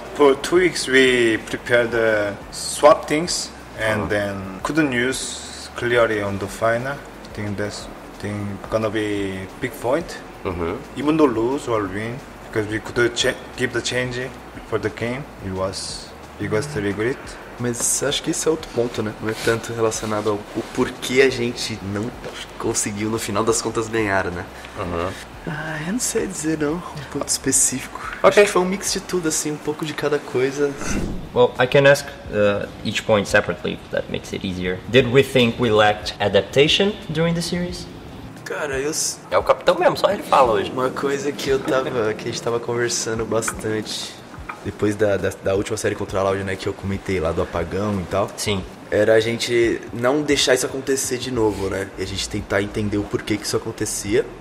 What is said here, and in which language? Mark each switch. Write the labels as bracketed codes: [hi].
[en] For 2 weeks, we prepared the swap things and then couldn't use clearly on the final. I think that's gonna be a big point. Mm-hmm. Even though lose or win, because we could give the change for the game, it was biggest regret. [pt] Mas acho que esse é outro ponto, né? Não é tanto relacionado ao porquê a gente não conseguiu, no final das contas, ganhar, né? Ah, eu não sei dizer, não. Um ponto específico. Okay. Acho que foi um mix de tudo, assim, um pouco de cada coisa. [en] Well, I can ask each point separately, if that makes it easier. Did we think we lacked adaptation during the series? [pt] Cara, eu... É o capitão mesmo, só ele fala hoje. Uma coisa que eu tava... que a gente tava conversando bastante... Depois da última série contra a Loud, né, que eu comentei lá do apagão e tal. Sim. Era a gente não deixar isso acontecer de novo, né? E a gente tentar entender o porquê que isso acontecia.